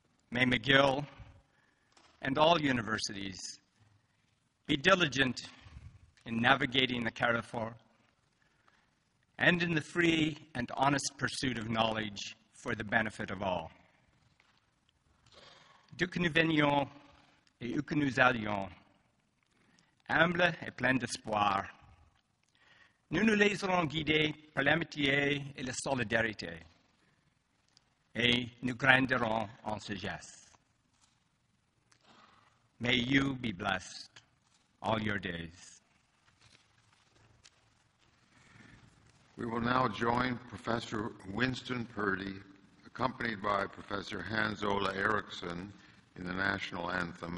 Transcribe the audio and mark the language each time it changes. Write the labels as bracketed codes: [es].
[en] May McGill and all universities be diligent in navigating the Carrefour and in the free and honest pursuit of knowledge for the benefit of all. [fr] D'où que nous venions et où que nous allions, humble et plein d'espoir, nous nous laisserons guider par l'amitié et la solidarité, et nous grandirons en sagesse. [en] May you be blessed all your days. We will now join Professor Winston Purdy, accompanied by Professor Hans Ola Eriksson, in the national anthem.